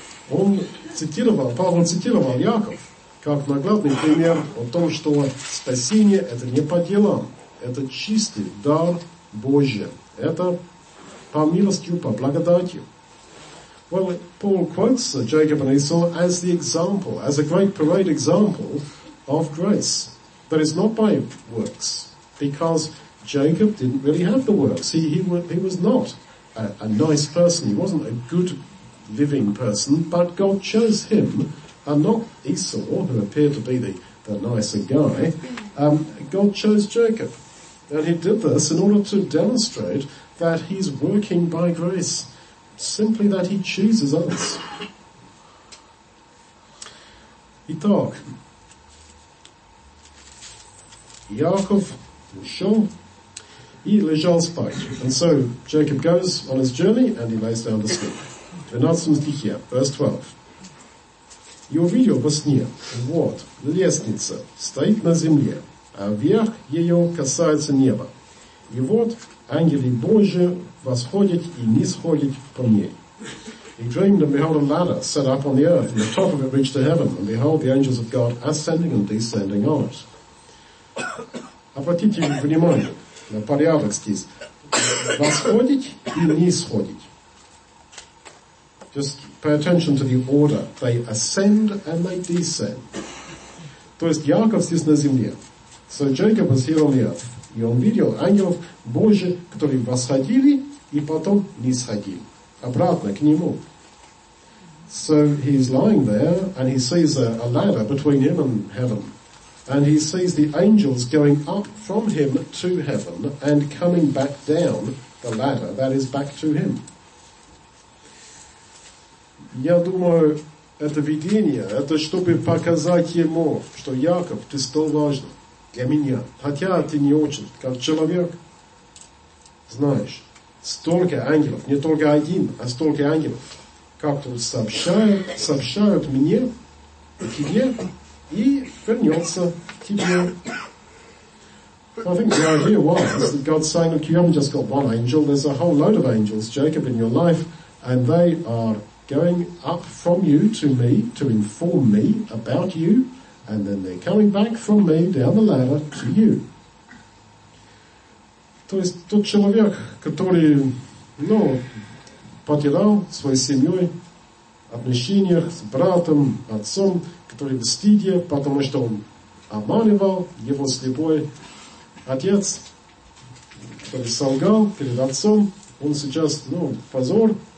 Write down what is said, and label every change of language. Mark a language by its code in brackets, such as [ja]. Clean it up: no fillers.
[ru] Он цитировал, Павел цитировал Яков как наглядный пример о том, что спасение это не по делам, это чистый дар Божий. Это по милостью, по благодати. [en] Well, Paul quotes Jacob and Esau as the example, as a great parade example of grace. That is not by works, because Jacob didn't really have the works. He was not a nice person. He wasn't a good living person, but God chose him, and not Esau, who appeared to be the nicer guy. God chose Jacob. And he did this in order to demonstrate that he's working by grace, simply that he chooses us. [ru] Итак, Яков ушел и лежал спать. [en] And so Jacob goes on his journey and he lays down to sleep. [ru] 12 стихе, [en] verse 12. [ru] И увидел во сне, вот, лестница стоит на земле, а вверх ее касается неба. И вот ангелы Божии восходят и нисходят по ней. [en] He dreamed and behold a ladder set up on the earth, and the top of it reached to heaven, and behold the angels of God ascending and descending on it. [ru] Обратите внимание на порядок здесь. Восходят и нисходят. [en] Just pay attention to the order. They ascend and they descend. [ru] То есть Яков здесь на земле. [en] So Jacob was here on the earth. [ru] И он видел ангелов Божьих, которые восходили и потом нисходили. Обратно к нему. [en] So he's lying there and he sees a ladder between him and heaven. And he sees the angels going up from him to heaven and coming back down the ladder that is back to him. [ru] Я думаю, это видение, это чтобы показать ему, что Яков, ты стал важным для меня. Хотя ты не очень, как человек, знаешь, столько ангелов, не только один, а столько ангелов, как-то сообщают мне, тебе, и вернется к тебе. [en] I think the idea was that God's saying, look, you haven't just got one angel, there's a whole load of angels, Jacob, in your life, and they are going up from you to me to inform me about you, and then they're coming back from me down the ladder to you. [ru] То есть тот человек, который, ну, потерял свою семью, отношения с братом, отцом, который в стыде, потому что он обманывал его слепой отец, который солгал перед отцом, он сейчас, ну, позор.